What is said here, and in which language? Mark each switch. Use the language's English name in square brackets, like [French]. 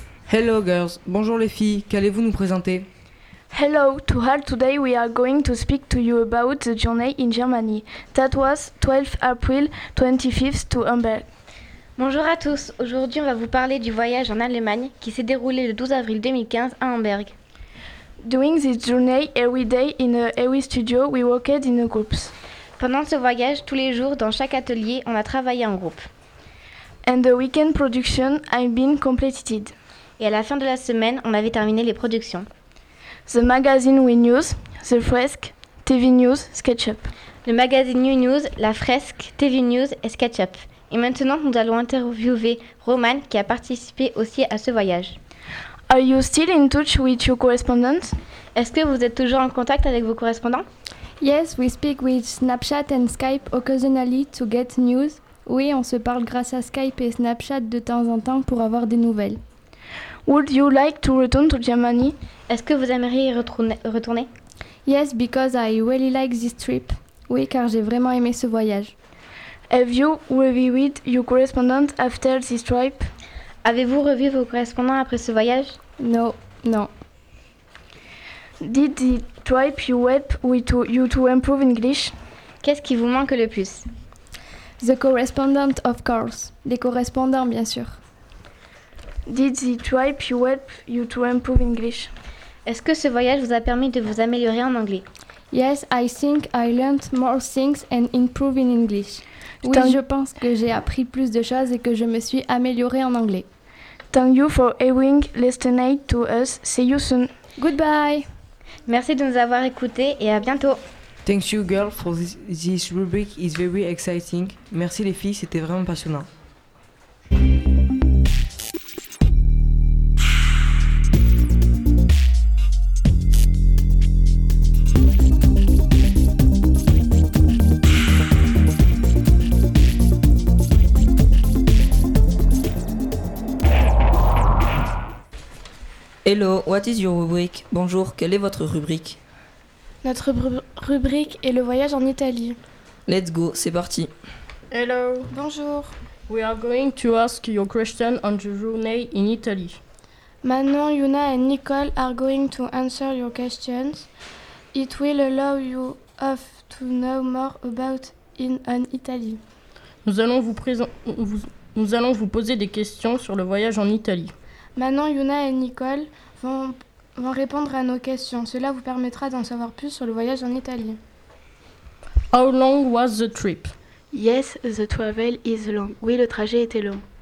[English] Hello girls, [French] bonjour les filles, qu'allez-vous nous présenter? [English] Hello to all, today we are going to speak to you about the journey in Germany. That was 12 April 25th to Hamburg. [French] Bonjour à tous, aujourd'hui on va vous parler du voyage en Allemagne qui s'est déroulé le 12 avril 2015 à Hamburg. [English] During this journey, every day in a every studio, we worked in a groups. [French] Pendant ce voyage, tous les jours, dans chaque atelier, on a travaillé en groupe. [English] And the weekend production had been completed. [French] Et à la fin de la semaine, on avait terminé les productions. [English] The magazine We News, The Fresque, TV News, SketchUp. [French] Le magazine We News, La Fresque, TV News et SketchUp. Et maintenant, nous allons interviewer Roman qui a participé aussi à ce voyage. [English] Are you still in touch with your correspondents? [French] Est-ce que vous êtes toujours en contact avec vos correspondants? [English] Yes, we speak with Snapchat and Skype occasionally to get news. [French] Oui, on se parle grâce à Skype et Snapchat de temps en temps pour avoir des nouvelles. [English] Would you like to return to Germany? [French] Est-ce que vous aimeriez retourner? [English] Yes, because I really like this trip. [French] Oui, car j'ai vraiment aimé ce voyage. [English] Have you reviewed your correspondent after this trip? [French] Avez-vous revu vos correspondants après ce voyage? Non, non. [English] Did the trip you help you to improve English? [French] Qu'est-ce qui vous manque le plus? [English] The correspondent, of course. [French] Les correspondants, bien sûr. [English] Did the trip help you to improve English? [French] Est-ce que ce voyage vous a permis de vous améliorer en anglais? [English] Yes, I think I learned more things and improved in English. [French] Oui, je pense que j'ai appris plus de choses et que je me suis améliorée en anglais. [English] Thank you for having listened to us. See you soon. Goodbye. [French] Merci de nous avoir écoutés et à bientôt. [English] Thank you, girl, for this rubric is very exciting. [French] Merci les filles, c'était vraiment passionnant. [English] Hello, what is your rubric? [French] Bonjour, quelle est votre rubrique? Notre rubrique est le voyage en Italie. [English] Let's go, [French] c'est parti. [English] Hello. [French] Bonjour. [English] We are going to ask your question on the journey in Italy. Manon, Yuna and Nicole are going to answer your questions. It will allow you of to know more about in Italy. [French] Nous allons vous poser des questions sur le voyage en Italie. Manon, Yuna et Nicole vont répondre à nos questions. Cela vous permettra d'en savoir plus sur le voyage en Italie. [English] How long was the trip? Yes, the travel is long. [French] Oui, le trajet était long.